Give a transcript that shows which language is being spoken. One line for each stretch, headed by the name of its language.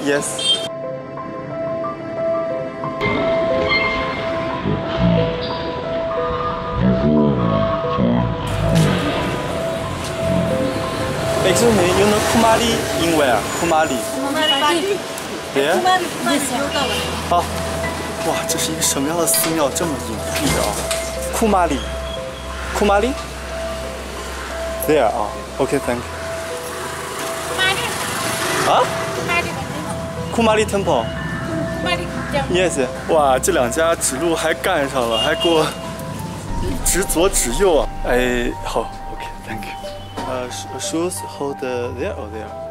English: yes. Excuse me, you know Kumali in where? Kumali. Kumali. Yeah? Kumali.
Chinese: 好、oh, 哇，这是一个什么样的寺庙，这么隐蔽啊。
English: Kumali. Kumali? There, oh. Okay, thank you. Kumali. 啊、huh? Kumali. Kumali Temple. Kumali. Yes.
Chinese: 哇，这两家指路还干上了，还给我指左指右啊。哎，好。
English: Okay, thank you. Shoes hold there or there?